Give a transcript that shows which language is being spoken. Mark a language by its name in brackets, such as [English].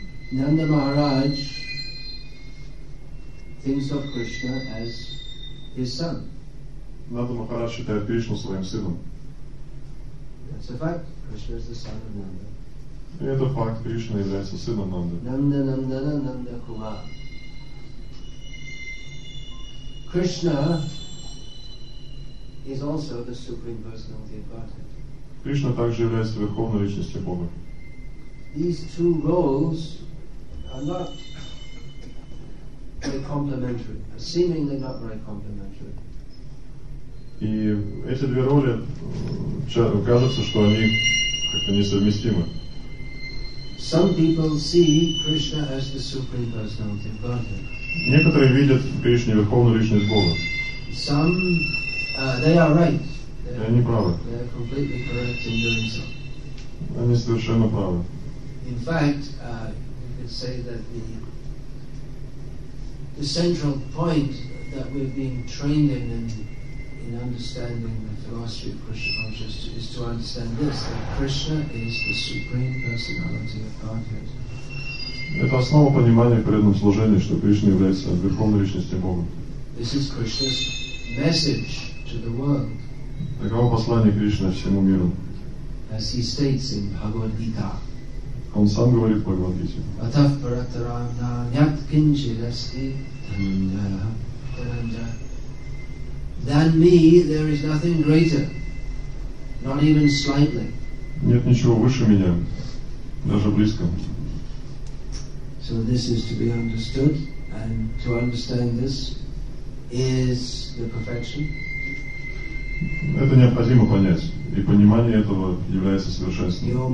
[English] Nanda Maharaj thinks of Krishna as his son. [Russian] Nanda Maharaj считает Кришну своим сыном. [English] That's a fact. Krishna is the son of Nanda. [Russian] И это факт. Кришна является сыном Нанды. [English] Nanda, Nanda, Nanda Kumar. Krishna is also the supreme personality of Godhead. [Russian] Кришна также является верховной личностью Бога. [English] These two roles are not very complementary, seemingly not very complementary. [Russian] И эти две роли, кажется, что они как-то несовместимы. [English] Some people see Krishna as the supreme personality of Godhead. [Russian] Некоторые видят в Кришне верховную личность Бога. [English] Some, they are right. [Russian] И они правы. [English] They are completely correct in doing so. [Russian] Они совершенно правы. [English] In fact, say that the central point that we've been trained in understanding the philosophy of Krishna consciousness is to understand this, that Krishna is the supreme personality of Godhead. [Russian] Это основа понимания преданного служения, что Кришна является верховной личностью Бога. [English] This is Krishna's message to the world. [Russian] Таково послание Кришны всему миру. [English] As he states in Bhagavad Gita. [Russian] Он сам говорит в Бхагавад-гите. [Sanskrit] Атав паратарам на нят кинчит асти тананджа. [English] Than me there is nothing greater, not even slightly. [Russian] Нет ничего выше меня, даже близко. [English] So this is to be understood, and to understand this is the perfection. [Russian] Это необходимо понять. И понимание этого является совершенством.